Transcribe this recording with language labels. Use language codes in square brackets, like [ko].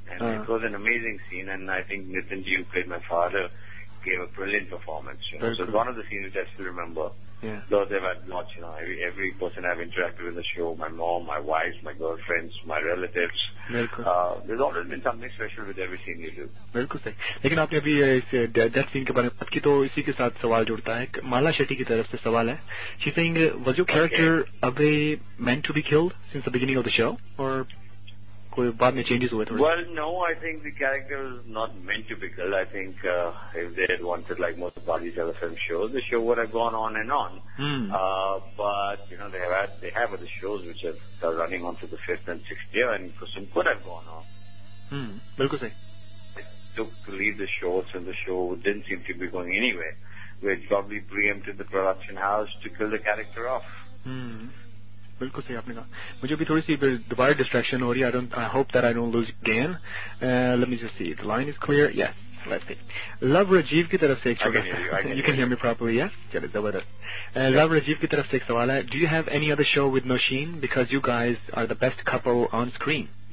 [en] And it was an amazing scene, and I think Nitin Ji, who played my father, gave a brilliant performance. You know? So it's one of the scenes which I still remember. Yeah. Though they've had lots, you know, every person I've interacted with in the show, my mom, my wife, my girlfriends, my relatives. There's always been something special with every scene you do. [hi] बिल्कुल सही. लेकिन आपने अभी इस death scene के बारे में बात की, तो इसी के साथ सवाल जुड़ता है. माला शेट्टी की तरफ से सवाल है. [en] She's saying, was your character Abhay meant to be killed since the beginning of the show, or [hi] कोई बाद में changes हुए थे? [en] Well, no, I think the character was not meant to be killed. I think if they had wanted, like most of the other film shows, the show would have gone on and on. Mm. But you know, they have other shows which are running on to the 5th and 6th year, and Kusum could have gone on. [hi] Mm. बिल्कुल सही. [en] Took to leave the show, and the show didn't seem to be going anywhere. We had probably preempted the production house to kill the character off. [hi] बिल्कुल सही आपने कहा. मुझे भी थोड़ी सी दोबारा डिस्ट्रैक्शन हो रही है. [en] I hope that I don't lose again. Let me just see. The line is clear. Yes. Love Rajiv [hi] ki taraf se ek sawal hai. [en] You can hear me properly, yes? [hi] Chale, zabardast. [en] Love Rajiv [hi] ki taraf se ek sawal hai. [en] Do you have any other show with Nosheen? Because you guys are the best couple on screen.